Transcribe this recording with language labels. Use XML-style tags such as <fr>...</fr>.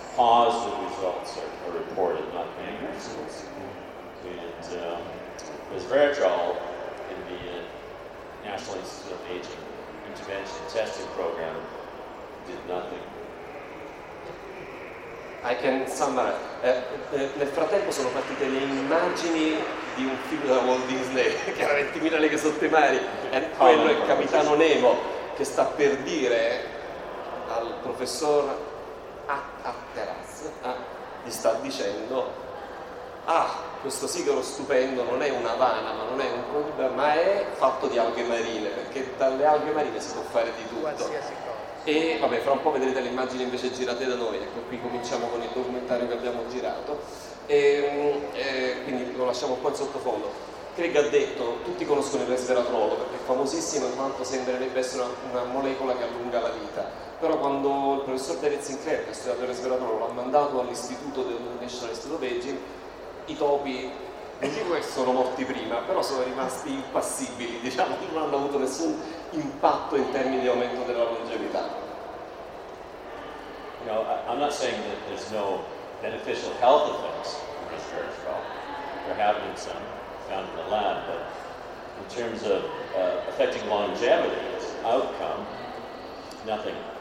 <en>Positive results are reported, not negative results. And resveratrol in the National Institute of Aging Intervention Testing Program did nothing. I can summarize.</en> <it>Nel frattempo sono partite le immagini di un film della Walt Disney, che era 20.000 leghe sotto i mari, e quello è il Capitano Nemo, che sta per dire al professor Atteras, gli sta dicendo: ah, questo sigaro stupendo non è una vana, ma non è un problema, ma è fatto di alghe marine, perché dalle alghe marine si può fare di tutto. E vabbè, fra un po' vedrete le immagini invece girate da noi, ecco, qui cominciamo con il documentario che abbiamo girato, e quindi lo lasciamo qua in sottofondo. Craig ha detto, tutti conoscono il resveratrol perché è famosissimo, in quanto sembrerebbe essere una molecola che allunga la vita. Però quando il professor David Sinclair, che ha studiato il resveratrol, l'ha mandato all'istituto del National Institute of Aging, i topi sono morti prima, però sono rimasti impassibili, diciamo, non hanno avuto nessun impatto in termini di aumento della longevità.</it> <en>You know, I'm not saying that there's no beneficial health effects from resveratrol. There have been some found in the lab, but in terms of affecting longevity, its outcome, nothing.</en>